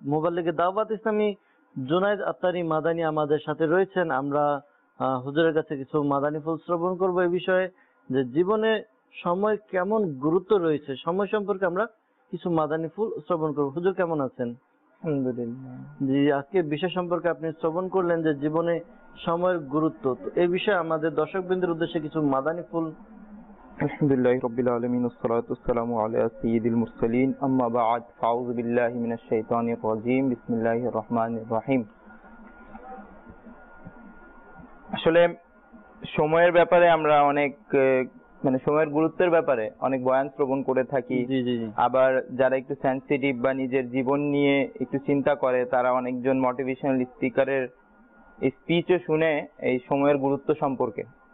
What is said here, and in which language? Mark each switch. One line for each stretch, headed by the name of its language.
Bangla: Mobile থেকে দাওয়াত ইসলামী জুনাইদ আত্তারি মাদানী আমাদের সাথে রয়েছেন, আমরা হুজুরের কাছে কিছু মাদানী ফুল শ্রবণ করব এই বিষয়ে যে জীবনে সময় কেমন গুরুত্ব রয়েছে, সময় সম্পর্কে আমরা কিছু মাদানী ফুল শ্রবণ করব। হুজুর কেমন আছেন? আলহামদুলিল্লাহ। আজকে বিষয় সম্পর্কে আপনি শ্রবণ করলেন যে জীবনে সময়ের গুরুত্ব, তো এই বিষয়ে আমাদের দর্শকবৃন্দের উদ্দেশ্যে কিছু মাদানী ফুল।
Arabic: আলহামদুলিল্লাহি রাব্বিল আলামিন والصلاه والسلام على سيد المرسلين اما بعد فاعوذ بالله من الشيطان الرجيم بسم الله الرحمن الرحيم।
Bangla: আসলে সময়ের ব্যাপারে আমরা অনেক, মানে সময়ের গুরুত্বের ব্যাপারে অনেক বয়ান শ্রবণ করে থাকি। আবার যারা একটু সেন্সিটিভ বা নিজের জীবন নিয়ে একটু চিন্তা করে তারা অনেকজন মোটিভেশনাল স্পিকারের স্পিচও শুনে এই সময়ের গুরুত্ব সম্পর্কে।